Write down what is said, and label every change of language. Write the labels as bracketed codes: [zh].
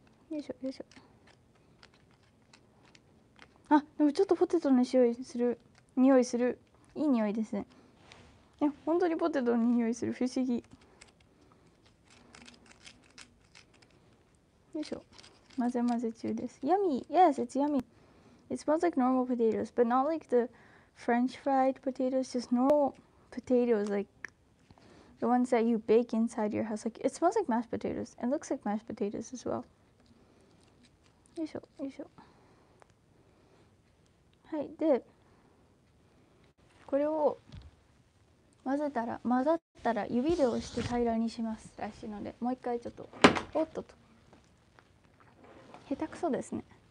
[ja] よいしょよいしょ。あ、でもちょっとポテトの塩にする匂いする、いい匂いですね。え、本当にポテトの匂いする、不思議。よいしょ、混ぜ混ぜ中です。 [en] Yummy! Yes, it's yummy! It smells like normal potatoes, but not like the French fried potatoes, just normal potatoes, like the ones that you bake inside your house. Like, it smells like mashed potatoes. It looks like mashed potatoes as well. [ja] よいしょ、よいしょ。はい、でこれを混ぜたら、混ざったら指で押して平らにしますらしいので、もう一回ちょっとおっとと、下手くそですね。